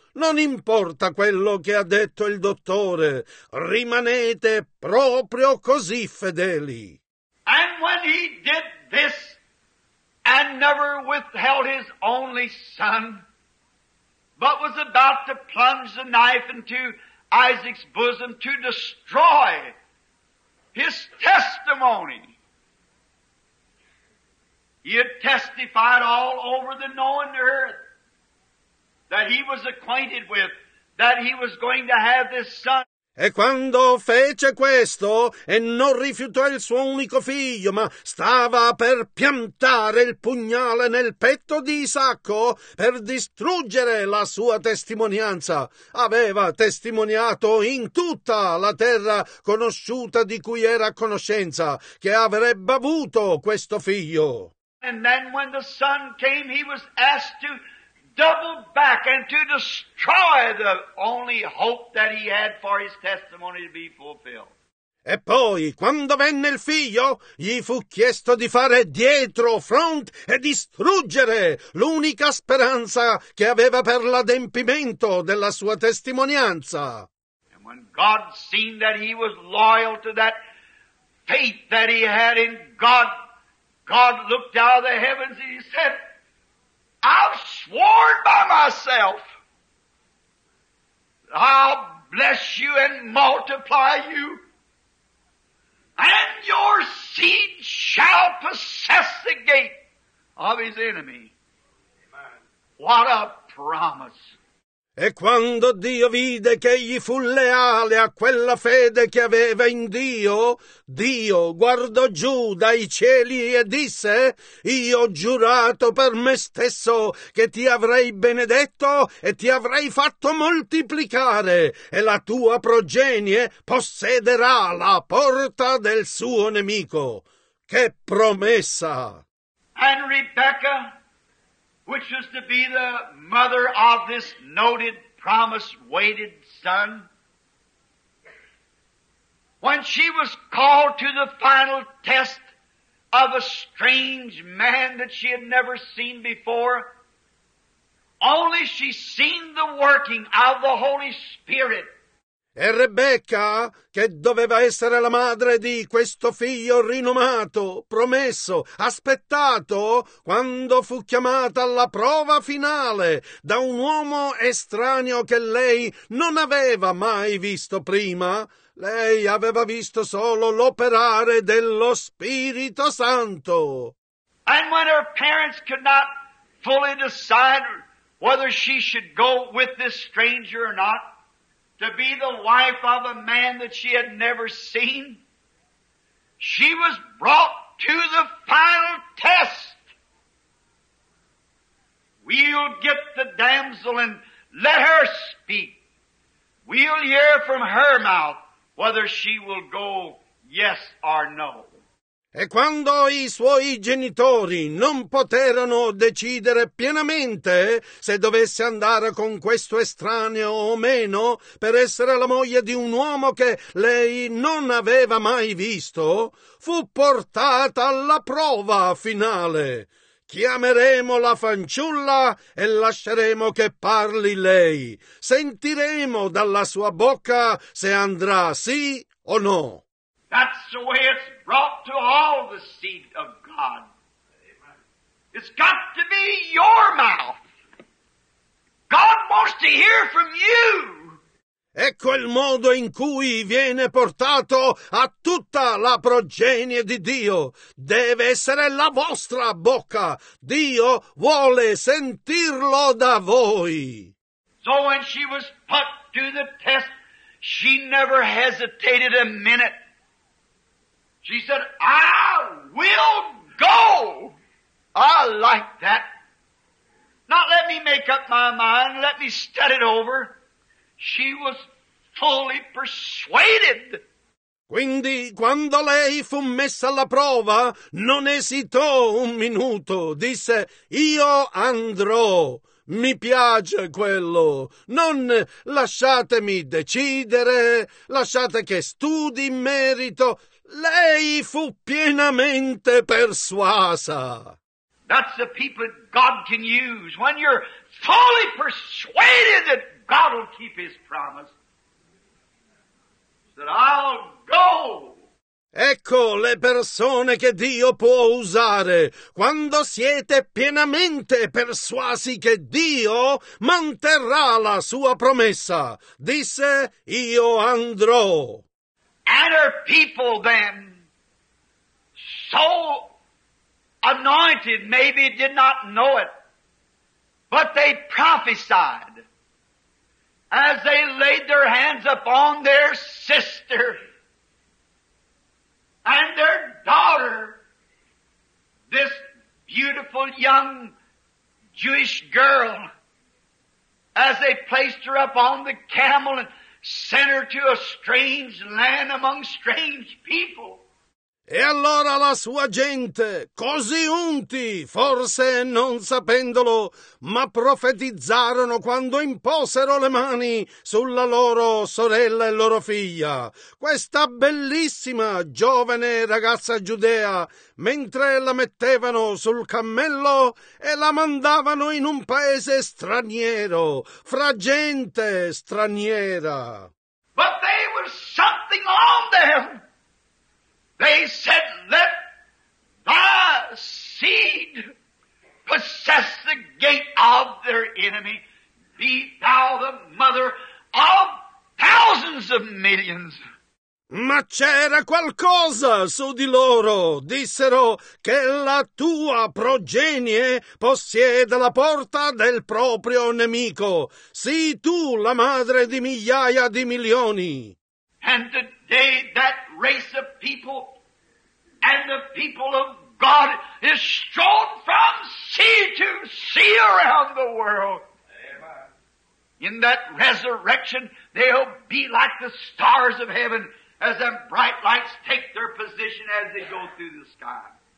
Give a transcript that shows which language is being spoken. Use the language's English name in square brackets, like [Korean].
[Italian] Non importa quello che ha detto il dottore, rimanete proprio così fedeli. [English] And when he did this and never withheld his only son, but was about to plunge the knife into Isaac's bosom to destroy his testimony, he had testified all over the known earth that he was acquainted with, that he was going to have this son. [Italian] E quando fece questo e non rifiutò il suo unico figlio, ma stava per piantare il pugnale nel petto di Isacco per distruggere la sua testimonianza, aveva testimoniato in tutta la terra conosciuta di cui era a conoscenza che avrebbe avuto questo figlio. [English] And then when the son came, he was asked to double back and to destroy the only hope that he had for his testimony to be fulfilled. [Italian] E poi, quando venne il figlio, gli fu chiesto di fare dietro front e distruggere l'unica speranza che aveva per l'adempimento della sua testimonianza. [English] And when God seen that he was loyal to that faith that he had in God, God looked out of the heavens and he said, I've sworn by myself, I'll bless you and multiply you, and your seed shall possess the gate of his enemy. Amen. What a promise! [Italian] E quando Dio vide che egli fu leale a quella fede che aveva in Dio, Dio guardò giù dai cieli e disse: io ho giurato per me stesso che ti avrei benedetto e ti avrei fatto moltiplicare, e la tua progenie possederà la porta del suo nemico. Che promessa! [English] And Rebecca, which was to be the mother of this noted, promise-waited son, when she was called to the final test of a strange man that she had never seen before, only she seen the working of the Holy Spirit. [Italian] E Rebecca, che doveva essere la madre di questo figlio rinomato, promesso, aspettato, quando fu chiamata alla prova finale da un uomo estraneo che lei non aveva mai visto prima, lei aveva visto solo l'operare dello Spirito Santo. [English] And when her parents could not fully decide whether she should go with this stranger or not, to be the wife of a man that she had never seen, she was brought to the final test. We'll get the damsel and let her speak. We'll hear from her mouth whether she will go yes or no. [Italian] E quando i suoi genitori non poterono decidere pienamente se dovesse andare con questo estraneo o meno per essere la moglie di un uomo che lei non aveva mai visto, fu portata alla prova finale. Chiameremo la fanciulla e lasceremo che parli lei. Sentiremo dalla sua bocca se andrà sì o no. [English] That's the way it's brought to all the seed of God. Amen. It's got to be your mouth. God wants to hear from you. [Italian] Ecco il modo in cui viene portato a tutta la progenie di Dio. Deve essere la vostra bocca. Dio vuole sentirlo da voi. [English] So when she was put to the test, she never hesitated a minute. She said, I will go. I like that. Not let me make up my mind. Let me study it over. She was fully persuaded. [Italian] Quindi, quando lei fu messa alla prova, non esitò un minuto. Disse, io andrò. Mi piace quello. Non lasciatemi decidere. Lasciate che studi in merito. Lei fu pienamente persuasa. [English] That's the people that God can use. When you're fully persuaded that God will keep his promise, that I'll go. [Italian] Ecco le persone che Dio può usare quando siete pienamente persuasi che Dio manterrà la sua promessa. Disse, io andrò. [English] And her people then, so anointed, maybe did not know it, but they prophesied as they laid their hands upon their sister and their daughter, this beautiful young Jewish girl, as they placed her up on the camel and sent her to a strange land among strange people. [Italian] E allora la sua gente, così unti, forse non sapendolo, ma profetizzarono quando imposero le mani sulla loro sorella e loro figlia. Questa bellissima giovane ragazza giudea, mentre la mettevano sul cammello e la mandavano in un paese straniero, fra gente straniera. [English] But there was something on them. They said, let thy seed possess the gate of their enemy. Be thou the mother of thousands of millions. [Italian] Ma c'era qualcosa su di loro. Dissero che la tua progenie possiede la porta del proprio nemico. Sii tu la madre di migliaia di milioni. [English] And today that race of people and the people of God is strong from sea to sea around the world. Amen. In that resurrection, they'll be like the stars of heaven as them bright lights take their position as they go through the sky.